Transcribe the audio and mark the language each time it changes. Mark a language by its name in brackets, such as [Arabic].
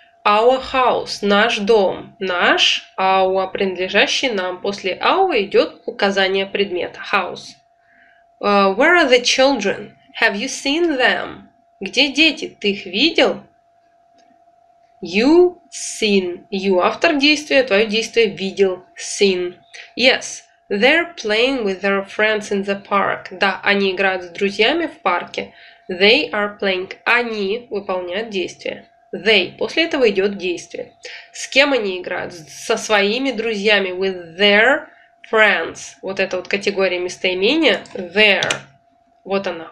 [English] Our house, [Russian] наш дом, наш, our, принадлежащий нам. После our идет указание предмета, house. [English] Where are the children? Have you seen them? [Russian] Где дети? Ты их видел? [English] You seen. [Russian] You автор действия, твое действие видел. [English] Seen. Yes, they're playing with their friends in the park. [Russian] Да, они играют с друзьями в парке. [English] They are playing. [Russian] Они выполняют действие. [English] They. [Russian] После этого идет действие. С кем они играют? Со своими друзьями. [English] With their friends. [Russian] Вот эта вот категория местоимения. Their. Вот она.